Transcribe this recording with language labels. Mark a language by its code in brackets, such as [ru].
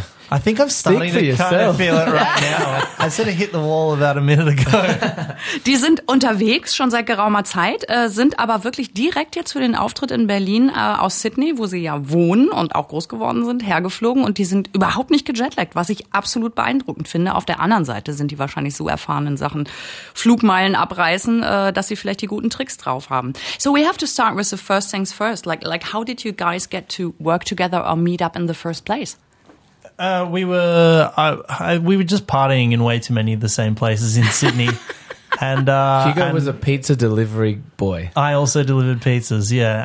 [en] I think I'm starting to kind of feel it right now. I sort of hit the wall about a minute ago. [de] Die sind unterwegs schon seit geraumer Zeit, sind aber wirklich direkt jetzt für den Auftritt in Berlin aus Sydney, wo sie ja wohnen und auch groß geworden sind, hergeflogen. Und die sind überhaupt nicht gejetlaggt, was ich absolut beeindruckend finde. Auf der anderen Seite sind die wahrscheinlich so erfahren in Sachen Flugmeilen abreißen, dass sie vielleicht die guten Tricks drauf haben. [en] So we have to start with the first things first. Like how did you guys get to work together or meet up in the first place? We were just partying in way too many of the same places in Sydney. And Hugo was a pizza delivery boy. I also delivered pizzas, yeah.